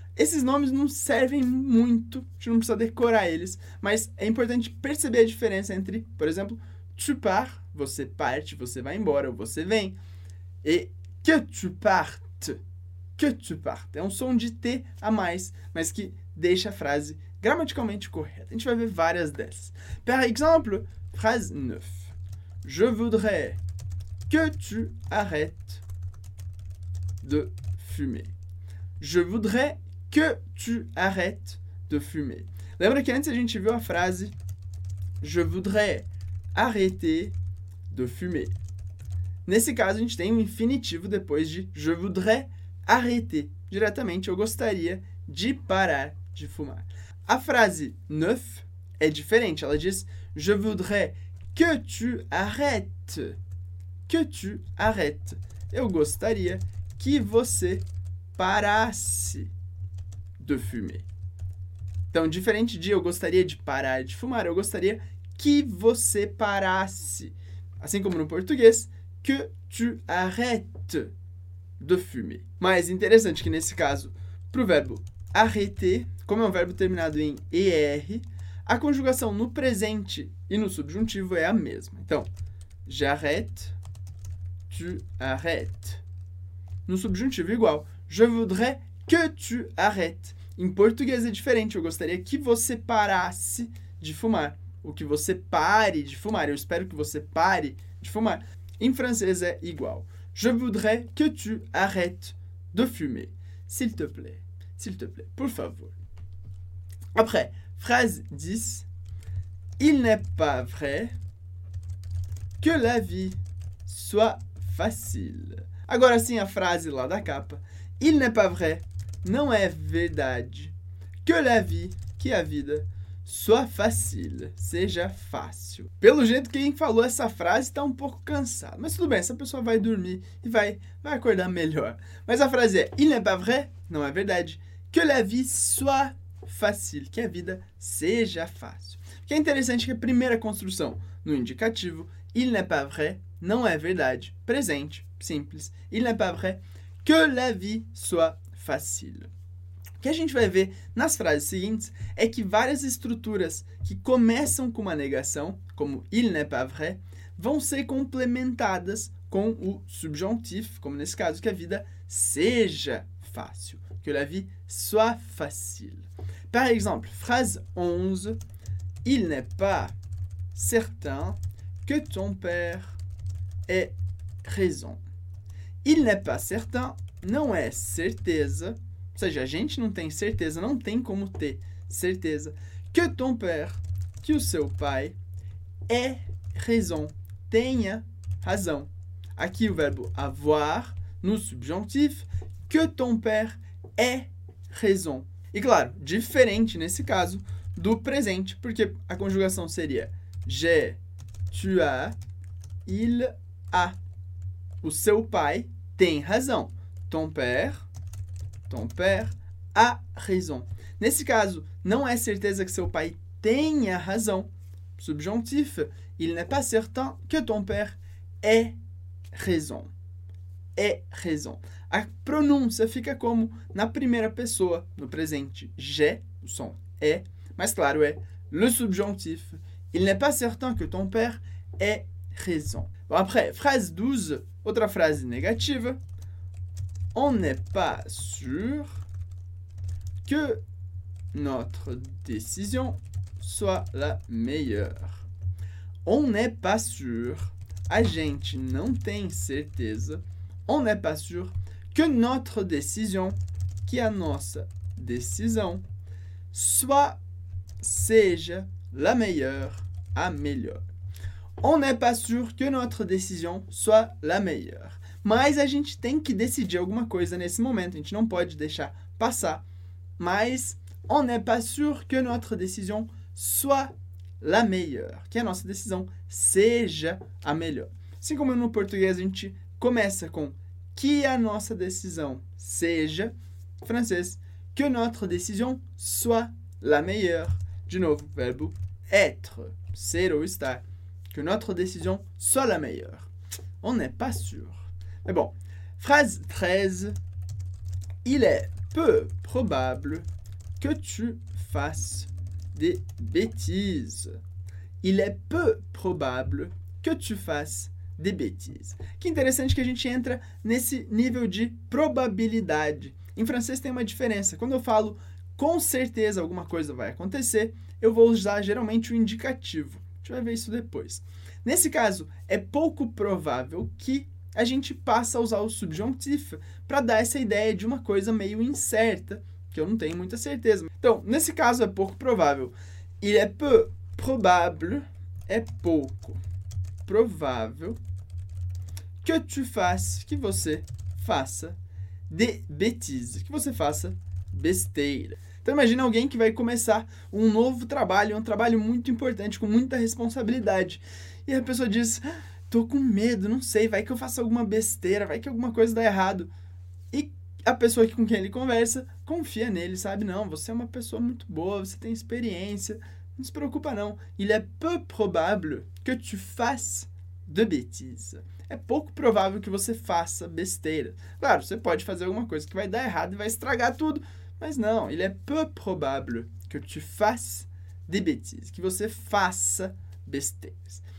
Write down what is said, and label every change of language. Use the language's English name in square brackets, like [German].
[Portuguese] Esses nomes não servem muito, a gente não precisa decorar eles, mas é importante perceber a diferença entre, por exemplo, [French] tu pars, [Portuguese] você parte, você vai embora, ou você vem, e que [French] tu partes, [Portuguese] é um som de T a mais, mas que deixa a frase gramaticalmente correta. A gente vai ver várias dessas. [French] Par exemple, phrase 9. Je voudrais que tu arrêtes de fumer. Je voudrais que tu arrêtes de fumer. [Portuguese] Lembra que antes a gente viu a frase [French] je voudrais arrêter de fumer. [Portuguese] Nesse caso, a gente tem um infinitivo depois de [French] je voudrais arrêter. [Portuguese] Diretamente, eu gostaria de parar de fumar. A frase neuf é diferente. Ela diz [French] je voudrais que tu arrêtes. Que tu arrêtes. [Portuguese] Eu gostaria que você parasse de fumer. Então, diferente de eu gostaria de parar de fumar, eu gostaria que você parasse. Assim como no português, [French] que tu arrêtes de fumer. Mas interessante que nesse caso, pro verbo arrêter, como é um verbo terminado em ER, a conjugação no presente e no subjuntivo é a mesma. Então, j'arrête, tu arrêtes. [Portuguese] No subjuntivo igual, [French] je voudrais que tu arrêtes. [Portuguese] Em português é diferente, eu gostaria que você parasse de fumar. Ou que você pare de fumar, eu espero que você pare de fumar. Em francês é igual. [French] Je voudrais que tu arrêtes de fumer. S'il te plaît, [Portuguese] por favor. [French] Après, phrase 10. Il n'est pas vrai que la vie soit facile. [Portuguese] Agora sim, a frase lá da capa. [French] Il n'est pas vrai, [Portuguese] não é verdade, [French] que la vie, [Portuguese] que a vida, [French] soit facile, [Portuguese] seja fácil. Pelo jeito, quem falou essa frase está um pouco cansado. Mas tudo bem, essa pessoa vai dormir e vai acordar melhor. Mas a frase é, [French] il n'est pas vrai, [Portuguese] não é verdade, [French] que la vie soit facile, [Portuguese] que a vida seja fácil. O que é interessante é que a primeira construção no indicativo, [French] il n'est pas vrai, [Portuguese] não é verdade, presente, simples, il n'est pas vrai, [French] que la vie soit facile. [Portuguese] O que a gente vai ver nas frases seguintes é que várias estruturas que começam com uma negação, como [French] il n'est pas vrai, [Portuguese] vão ser complementadas com o subjuntif, como nesse caso, que a vida seja fácil. [French] Que la vie soit facile. Par exemple, phrase 11. Il n'est pas certain que ton père ait raison. Il n'est pas certain, [Portuguese] não é certeza. Ou seja, a gente não tem certeza, não tem como ter certeza. [French] Que ton père, [Portuguese] que o seu pai, [French] ait raison, [Portuguese] tenha razão. Aqui o verbo avoir, no subjuntif, [French] que ton père ait raison. [Portuguese] E claro, diferente nesse caso do presente, porque a conjugação seria [French] j'ai, tu as, il a. [Portuguese] O seu pai tem razão. [French] Ton père a raison. [Portuguese] Nesse caso, não é certeza que seu pai tenha razão. [French] Subjuntif, il n'est pas certain que ton père ait raison. Ait raison. [Portuguese] A pronúncia fica como na primeira pessoa, no presente, j'ai, o som é, mas claro, é le subjuntif. [French] Il n'est pas certain que ton père ait raison. Bon, après, phrase 12, [Portuguese] outra frase negativa. [French] On n'est pas sûr que notre décision soit la meilleure. On n'est pas sûr. [Portuguese] A gente não tem certeza. [French] On n'est pas sûr que notre décision, [Portuguese] que a nossa decisão, [French] soit, [Portuguese] seja [French] la meilleure, [Portuguese] a melhor. [French] On n'est pas sûr que notre décision soit la meilleure. [Portuguese] Mas a gente tem que decidir alguma coisa nesse momento, a gente não pode deixar passar. [French] Mas on n'est pas sûr que notre décision soit la meilleure. [Portuguese] Que a nossa decisão seja a melhor. Assim como no português a gente começa com que a nossa decisão seja, francês, [French] que notre décision soit la meilleure. [Portuguese] De novo, verbo être, ser ou estar. [French] Que notre décision soit la meilleure. On n'est pas sûr. Mais bon, phrase 13. Il est peu probable que tu fasses des bêtises. Il est peu probable que tu fasses des bêtises. [Portuguese] Que interessante que a gente entra nesse nível de probabilidade. Em francês tem uma diferença. Quando eu falo com certeza alguma coisa vai acontecer, eu vou usar geralmente o indicativo. A gente vai ver isso depois. Nesse caso, é pouco provável que a gente passa a usar o subjuntivo para dar essa ideia de uma coisa meio incerta, que eu não tenho muita certeza. Então, nesse caso, é pouco provável. [French] Il est peu probable, [Portuguese] é pouco provável, [French] que tu fasses, [Portuguese] que você faça, [French] des bêtises, [Portuguese] que você faça besteira. Então, imagina alguém que vai começar um novo trabalho, um trabalho muito importante, com muita responsabilidade. E a pessoa diz: tô com medo, não sei, vai que eu faço alguma besteira, vai que alguma coisa dá errado. E a pessoa com quem ele conversa confia nele, sabe? Não, você é uma pessoa muito boa, você tem experiência, não se preocupa não. [French] Il est peu probable que tu fasses de bêtises. [Portuguese] É pouco provável que você faça besteira. Claro, você pode fazer alguma coisa que vai dar errado e vai estragar tudo, mas não, [French] il est peu probable que tu fasses de bêtises, [Portuguese] que você faça besteiras.